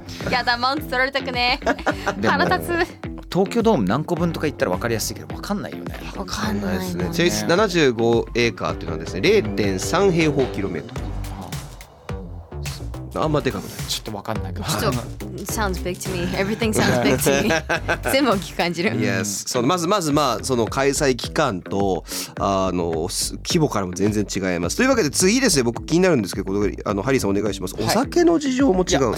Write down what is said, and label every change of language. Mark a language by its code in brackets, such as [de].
[ja] やだ、マウント取られたくね。腹立つ。東京ドーム何個分とか言ったら分かりやすいけど、分かんないよね。分かんないですね。 75エーカーっていうのはですね、 0.3 平方キロメートル。あんまでかくない。ちょっと分かんないけど、 [en] ちょっと Sounds big to me. Everything sounds big to me. [ja] 全部大きく感じる。 Yes、 そのまずまあその開催期間とあの規模からも全然違います。というわけで次ですね、僕気になるんですけど、あのハリーさんお願いします。お酒の事情も違う、はい、